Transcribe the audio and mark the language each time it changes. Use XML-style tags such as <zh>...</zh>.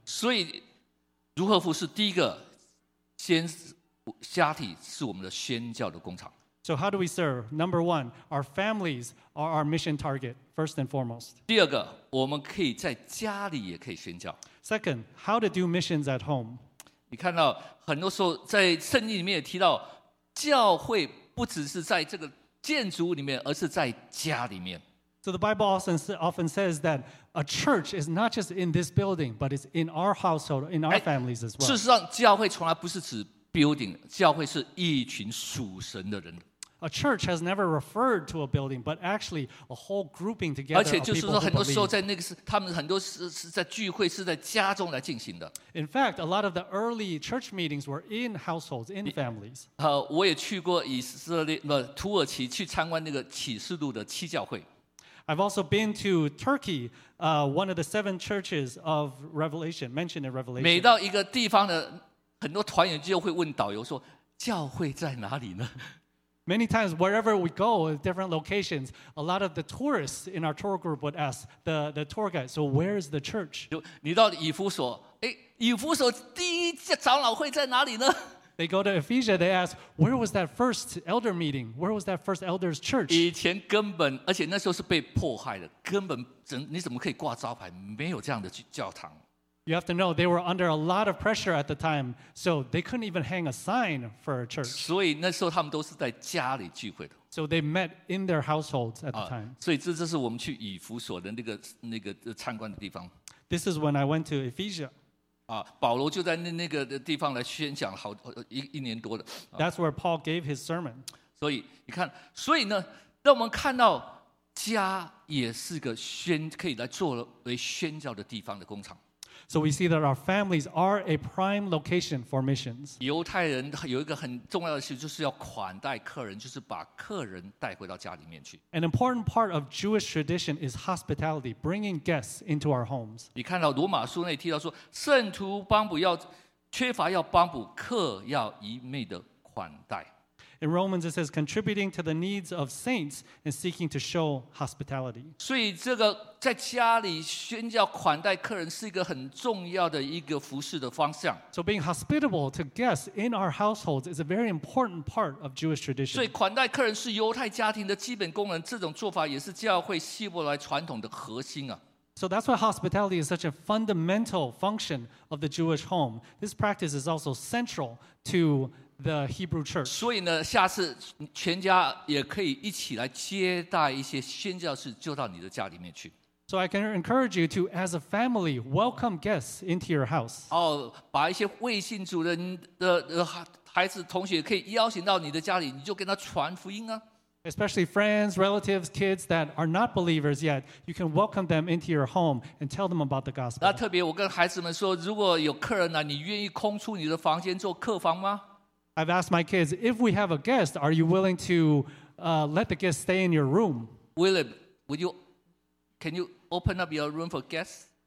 <zh>所以如何服侍第一个先家庭是我们的宣教的工厂。</zh> <en>So how do we serve? Number one, our families are our mission target, first and foremost.</en> <zh>第二个，我们可以在家里也可以宣教。</zh> <en>Second, how to do missions at home.</en> <zh>你看到很多时候在圣经里面也提到，教会不只是在这个建筑里面，而是在家里面。</zh> <en>So the Bible often says that a church is not just in this building, but it's in our household, in our families as well.</en> <zh>事实上，教会从来不是指 building， 教会是一群属神的人。</zh> <en>A church has never referred to a building, but actually a whole grouping together.</en> <zh>而且就是说，很多时候在那个是他们很多是在聚会是在家中来进行的。</zh> <en>In fact, a lot of the early church meetings were in households, in families.</en> <zh>我也去过以色列，不，土耳其去参观那个启示录的七教会。</zh> <en>I've also been to Turkey, one of the seven churches of Revelation, mentioned in Revelation.</en> <zh>每到一个地方的很多团员就会问导游说：“教会在哪里呢？”</zh> <en>Many times, wherever we go, different locations, a lot of the tourists in our tour group would ask the tour guide, so where is the church?</en> <zh>你到以弗所，以弗所第一长老会在哪里呢？</zh> <en>They go to Ephesia, they ask, where was that first elder meeting? Where was that first elder's church?</en> <zh>以前根本，而且那时候是被迫害的，根本你怎么可以挂招牌？没有这样的教堂。</zh> <en>You have to know they were under a lot of pressure at the time, so they couldn't even hang a sign for a church.</en> <zh>所以那时候他们都是在家里聚会的。</zh> <en>So they met in their households at the time.</en> <zh>所以这是我们去以弗所的那个参观的地方。</zh> <en>This is when I went to Ephesia.</en> <zh>保罗就在那个地方来宣讲好一年多的。</zh> <en>That's where Paul gave his sermon.</en> <zh>所以你看，所以呢，让我们看到家也是个宣可以来作为宣教的地方的工厂。</zh> <en>So we see that our families are a prime location for missions.</en> <zh>犹太人有一个很重要的事，就是要款待客人，就是把客人带回到家里面去。</zh> <en>An important part of Jewish tradition is hospitality, bringing guests into our homes.</en> <zh>你看到罗马书那里提到说，圣徒帮补要缺乏要帮补，客要一昧的款待。</zh> <en>In Romans it says contributing to the needs of saints and seeking to show hospitality.</en> <zh>所以这个在家里宣教款待客人是一个很重要的一个服事的方向。</zh> <en>So being hospitable to guests in our households is a very important part of Jewish tradition.</en> <zh>所以款待客人是犹太家庭的基本功能，这种做法也是教会希伯来传统的核心啊。</zh> <en>So that's why hospitality is such a fundamental function of the Jewish home. This practice is also central to the Hebrew church.</en> <zh>所以呢，下次全家也可以一起来接待一些宣教士，就到你的家里面去。</zh> <en>So I can encourage you to, as a family, welcome guests into your house.</en> <zh>哦，把一些未信主人的孩子、同学可以邀请到你的家里，你就跟他传福音啊。</zh> <en>Especially friends, relatives, kids that are not believers yet, you can welcome them into your home and tell them about the gospel.</en> <zh>那特别我跟孩子们说，如果有客人呢，你愿意空出你的房间做客房吗？</zh> <en>I've asked my kids, if we have a guest, are you willing to let the guest stay in your room? William, would you, can you open up your room for guests?</en>